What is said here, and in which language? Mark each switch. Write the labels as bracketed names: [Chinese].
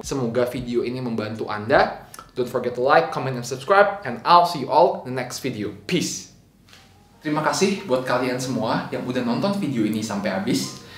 [Indonesian] Semoga video ini membantu Anda. [English] Don't forget to like, comment, and subscribe. And I'll see you all in the next video. Peace! [Indonesian] Terima kasih buat kalian semua yang udah nonton video ini sampai habis.